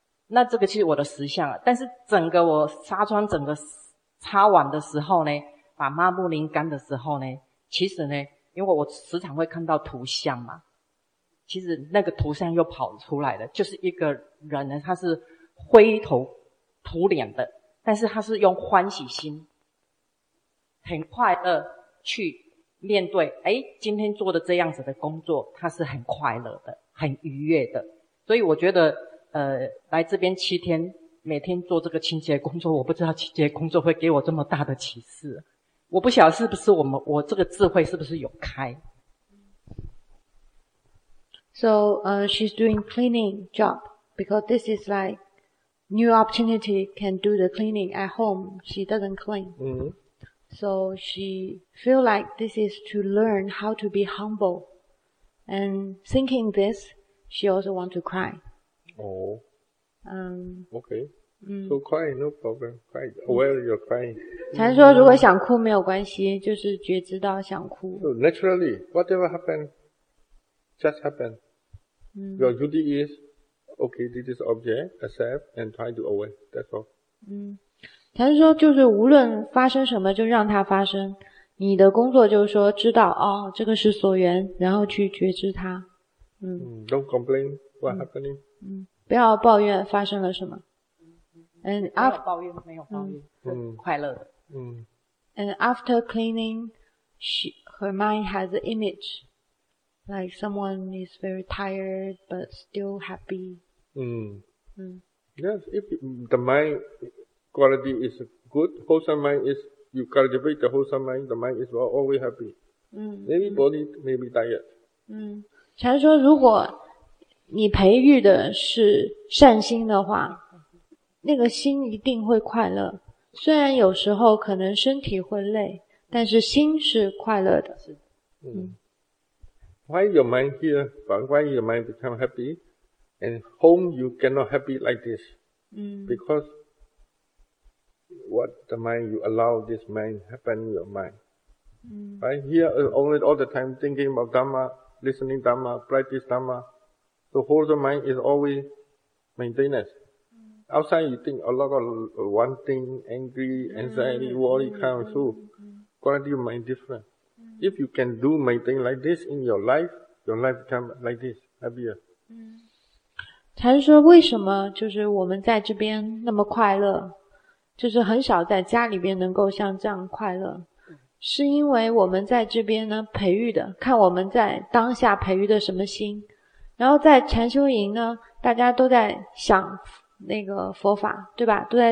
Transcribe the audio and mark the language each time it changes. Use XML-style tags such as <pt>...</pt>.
<zh>那这个就是我的实相，但是整个我纱窗整个擦完的时候呢，把抹布拧干的时候呢，其实呢，因为我时常会看到图像嘛，其实那个图像又跑出来了，就是一个人呢，他是灰头土脸的，但是他是用欢喜心很快乐去面对，诶，今天做的这样子的工作他是很快乐的很愉悦的。所以我觉得来这边七天每天做这个清洁工作，我不知道清洁工作会给我这么大的启示。我不晓得是不是我这个智慧是不是有开。</zh> <en>So, she's doing cleaning job because this is like new opportunity, can do the cleaning at home. She doesn't clean. Mm-hmm. So she feel like this is to learn how to be humble. And thinking this, she also want to cry. Oh. Okay. Mm. So cry, no problem. Cry. Well, you're crying.</en> <zh>禅说如果想哭没有关系，就是觉知到想哭。</zh> <en>So naturally, whatever happened, just happened. Mm. Your duty is, okay, this is object, accept, and try to away. That's all.</en> <zh>禅说就是无论发生什么就让它发生。你的工作就是说知道哦，这个是所缘，然后去觉知它。</zh> <en>Don't complain what happening.</en> <zh>不要抱怨发生了什么。</zh> <en>And after,</en> <zh>没有抱怨，没有抱怨，是快乐的。</zh> <en>And after cleaning, her mind has an image, like someone is very tired but still happy. Yes, if the mind quality is good, wholesome mind is, you cultivate the wholesome mind, the mind is always happy. Maybe body may be tired.</en> <zh>禅说如果你培育的是善心的话，那个心一定会快乐，虽然有时候可能身体会累，但是心是快乐的。</zh> <en>Why your mind here? But why your mind become happy? And home you cannot happy like this. Because what the mind you allow this mind happen in your mind. Right here only all the time thinking about Dhamma, listening Dhamma, practice Dhamma. So whole the mind is always maintenance. Outside, you think a lot of one thing, angry, anxiety, worry, kind of through. Quality of mind different. If you can do maintain like this in your life become like this, happier.</en> <zh>禅说为什么就是我们在这边那么快乐，就是很少在家里边能够像这样快乐，是因为我们在这边呢培育的，看我们在当下培育的什么心，然后在禅修营呢，大家都在想那个佛法，对吧？</zh>